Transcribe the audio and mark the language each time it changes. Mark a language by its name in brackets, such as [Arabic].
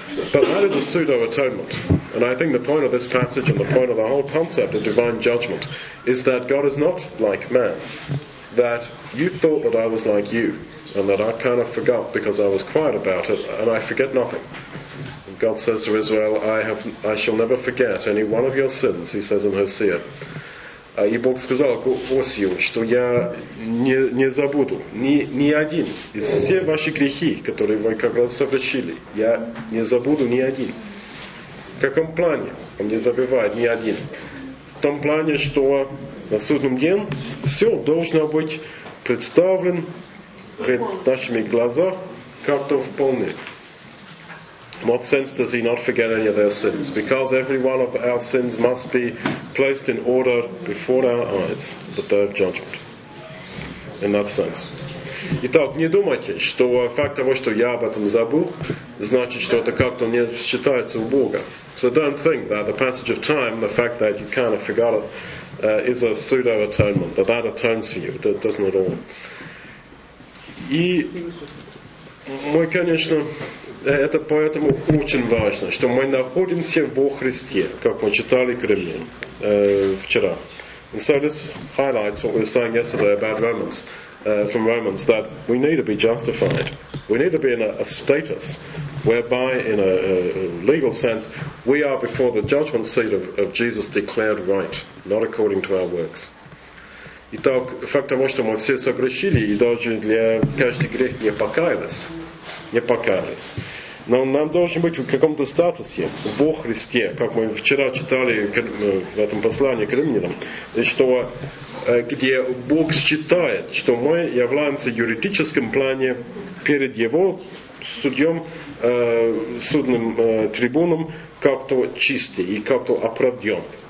[English] But that is a pseudo-atonement. And I think the point of this passage and the point of the whole concept of divine judgment is that God is not like man. That you thought that I was like you, and that I kind of forgot because I was quiet about it, and I forget nothing. And God says to Israel, I shall never forget any one of your sins, he says in Hosea. [Russian] И Бог сказал Осию, что я не забуду ни один из все ваши грехи, которые вы когда-то совершили. Я не забуду ни один. В каком плане? Он не забывает ни один. В том плане, что на судном день все должно быть представлено пред нашими глазами как-то вполне. [English] What sense does he not forget any of their sins? Because every one of our sins must be placed in order before our eyes, the third judgment. In that sense. [Russian] Итак, не думайте, что факт того, что я об этом забыл, значит, что это как-то не считается у Бога. [English] So don't think that the passage of time, the fact that you kind of forgot it, is a pseudo-atonement, that atones for you. It doesn't at all. [Russian] И мы, конечно, это поэтому очень важно, что мы находимся во Христе, как мы читали к Римлянам вчера. [English] And so this highlights what we were saying yesterday about Romans, from Romans, that we need to be justified. We need to be in a status whereby, in a legal sense, we are before the judgment seat of Jesus declared right, not according to our works. [Russian] Итак, факт того, что мы все согрешили, и даже для каждого греха не покаялись. Но нам должен быть в каком-то статусе, во Христе, как мы вчера читали в этом послании к Римлянам, что где Бог считает, что мы являемся в юридическом плане перед Его судьем, судным трибуном, как-то чистый и как-то оправдён.